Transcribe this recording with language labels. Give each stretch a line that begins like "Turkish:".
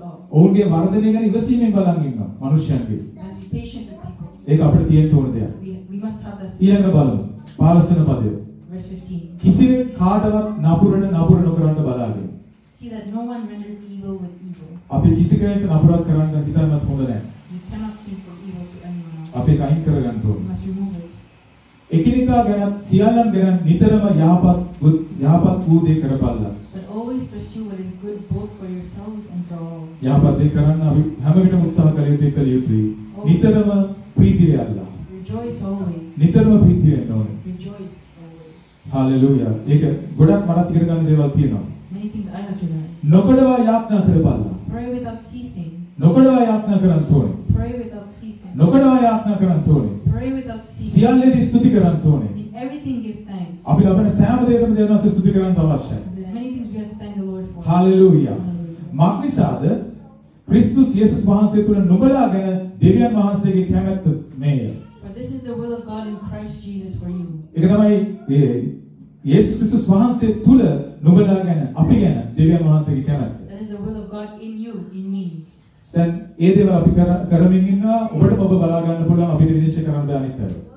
Sinhala: ඔවුන්ගේ වර්ධනය ගැන ඉවසීමෙන් බලන් ඉන්නවා මිනිස්යන්ගේ. ඒක අපිට තියෙන්න ඕන දෙයක්. ඊළඟ බලමු. පාලසන පදය. කිසිම කාටවත් නපුර නොකරන්න බලාගන්න.
English: See that no one renders evil with evil.
Sinhala: අපි කිසි කෙනෙක් නපුරක් කරන්න හිතන්නත් හොඳ නැහැ.
English: You cannot think of evil to anyone.
Sinhala: අපි කයින් කරගන්න ඕනේ.
English: Must remove it.
Sinhala: එකිනෙකා ගැන සියල්ලන් ගැන නිතරම යහපත් වූ දේ කරපල්ලා.
English: But always pursue what is good both for yourselves and for all.
Sinhala: යහපත් දේ කරන්න අපි හැම විටම උත්සාහ කළ යුතුයි. නිතරම ප්‍රීතිය අල්ලා.
English: Rejoice always.
Sinhala: නිතරම ප්‍රීතිය වෙන්න ඕනේ.
English: Rejoice always. Hallelujah.
Sinhala: ඒක ගොඩක් මට ඉගෙන ගන්න දේවල් තියෙනවා.
English: Many things I have to learn.
Sinhala: නොකඩවා යාඥා කරපල්ලා.
English: Pray without ceasing.
Sinhala: නොකඩවා යාඥා කරන් තෝනේ.
English: Pray without ceasing.
Sinhala: නොකඩවා යාඥා කරන් තෝනේ.
English: Pray without ceasing.
Sinhala: සියල්ලෙදි ස්තුති කරන් තෝනේ.
English: In everything give thanks.
Sinhala: අපි ලබන සෑම දෙයකම දෙවියන්ට ස්තුති කරන්න අවශ්‍යයි.
English: There's many things we have to thank the Lord for.
Sinhala: Hallelujah. මක් නිසාද? ක්‍රිස්තුස් යේසුස් වහන්සේ තුල නුඹලාගෙන දෙවියන් වහන්සේගේ කැමැත්ත මේය.
English: For this is the will of God in Christ Jesus for you.
Sinhala: ඒක තමයි යේසුස් ක්‍රිස්තුස් වහන්සේ තුල නුඹලාගෙන අපි ගැන දෙවියන් වහන්සේගේ කැමැත්ත.
English: That is the will of God in you, in me.
Sinhala: දැන් ඒ දේවල් අපි කරමින් ඉන්නවා ඔබට ඔබ බලා ගන්න පුළුවන් අපිට විනිශ්චය කරන්න බෑ අනිත් අය.